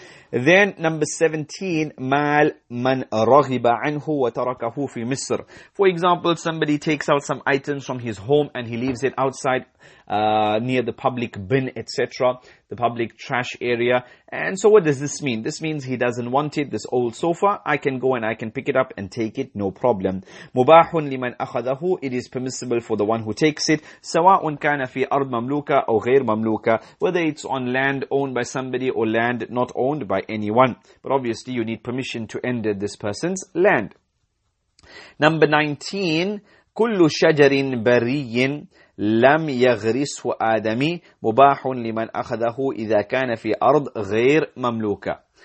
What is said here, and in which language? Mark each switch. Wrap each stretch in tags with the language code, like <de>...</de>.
<en>Then number 17,</en> <ar>مال من رغب عنه وتركه في مصر.</ar> <en>For example, somebody takes out some items from his home and he leaves it outside near the public bin, etc., the public trash area. And so what does this mean? This means he doesn't want it, this old sofa. I can go and I can pick it up and take it, no problem.</en> <ar>مباح لمن أخذه.</ar> <en>It is permissible for the one who takes it.</en> <ar>سواء كان في أرض مملوكة أو غير مملوكة.</ar> <en>Whether it's on land owned by somebody or land not owned by anyone. But obviously you need permission to enter this person's land. Number 19.</en> <ar>كل شجر بري لم يغرسه آدمي مباح لمن أخذه إذا كان في أرض غير مملوكة.</ar>